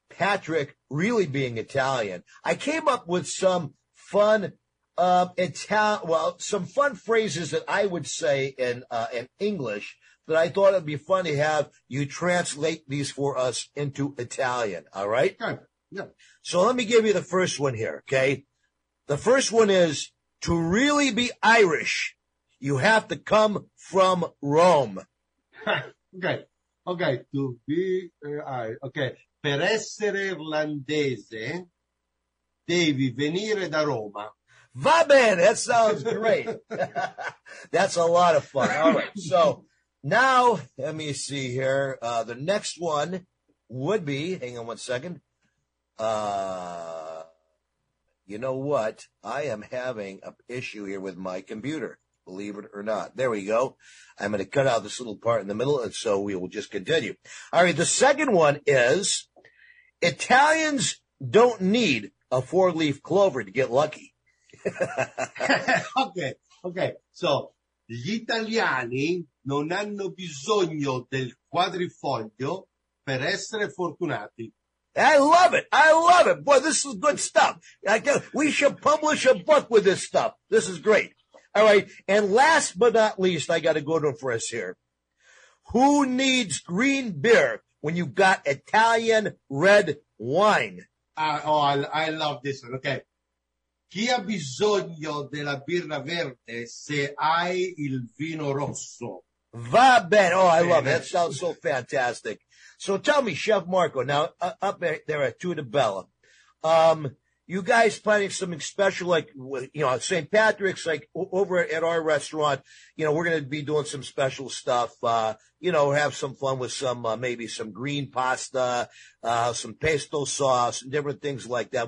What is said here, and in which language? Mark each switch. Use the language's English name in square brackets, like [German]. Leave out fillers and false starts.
[English] Patrick really being Italian, I came up with some fun some fun phrases that I would say in English that I thought it'd be fun to have you translate these for us into Italian. All right. Yeah. So let me give you the first one here. Okay. The first one is to really be Irish, you have to come from Rome. Okay. To be, [Italian] per essere irlandese, devi venire da Roma. Va bene. [English] That sounds great. That's a lot of fun. All right. So Now, let me see here. The next one would be, hang on 1 second. You know what? I am having an issue here with my computer, believe it or not. There we go. I'm going to cut out this little part in the middle, and so we will just continue. All right, the second one is Italians don't need a four-leaf clover to get lucky. Okay. [Italian] So, gli italiani non hanno bisogno del quadrifoglio per essere fortunati. [English] I love it. Boy, this is good stuff. We should publish a book with this stuff. This is great. All right. And last but not least, I got a good one for us here. Who needs green beer when you've got Italian red wine? I love this one. Okay. [Italian] Chi ha bisogno della birra verde se hai il vino rosso? Va bene. [English] Oh, I love it. That sounds so fantastic. So tell me, Chef Marco, now up there at Tutabella, you guys planning something special, like, you know, St. Patrick's, like over at our restaurant, you know, we're going to be doing some special stuff, you know, have some fun with some, maybe some green pasta, some pesto sauce, different things like that.